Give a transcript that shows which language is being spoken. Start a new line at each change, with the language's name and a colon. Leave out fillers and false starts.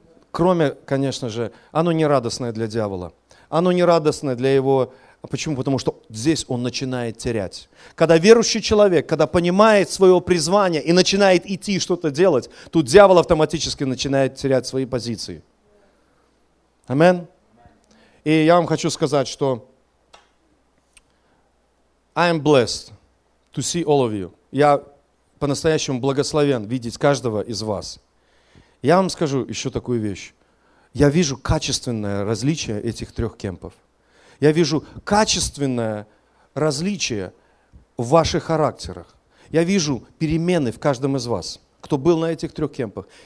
Russian: Кроме, конечно же, оно не радостное для дьявола. Оно не радостное для его... Почему? Потому что здесь он начинает терять. Когда верующий человек, когда понимает свое призвание и начинает идти что-то делать, тут дьявол автоматически начинает терять свои позиции. Амин. И я вам хочу сказать, что
English: I am blessed to see all of you.
Russian: Я по-настоящему благословен видеть каждого из вас. Я вам скажу еще такую вещь. Я вижу качественное различие этих трех кемпов. Я вижу качественное различие в ваших характерах. Я вижу перемены в каждом из вас, кто был на этих трех кемпах.